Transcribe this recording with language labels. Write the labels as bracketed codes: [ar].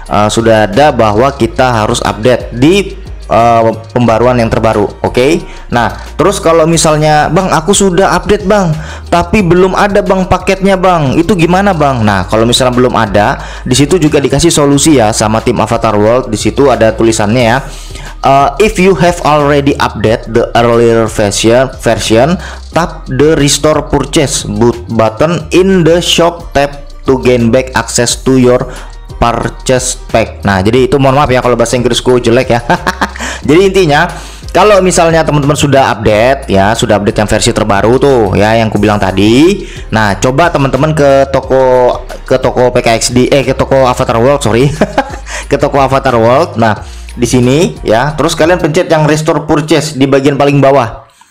[id] Sudah ada bahwa kita harus update di pembaruan yang terbaru. Oke. Nah, terus kalau misalnya, "Bang, aku sudah update, Bang, tapi belum ada, Bang, paketnya, Bang. Itu gimana, Bang?" Nah, kalau misalnya belum ada, di situ juga dikasih solusi ya sama tim Avatar World. Di situ ada tulisannya ya. [en] If you have already update the earlier version, tap the restore purchase button in the shop tab to gain back access to your purchase pack. [id] Nah, jadi itu mohon maaf ya kalau bahasa Inggrisku jelek ya. Jadi intinya, kalau misalnya teman-teman sudah update ya, sudah update yang versi terbaru tuh ya yang ku bilang tadi. Nah, coba teman-teman ke toko PKXD, ke toko Avatar World, sorry. Ke toko Avatar World. Nah, di sini ya, terus kalian pencet yang restore purchase di bagian paling bawah.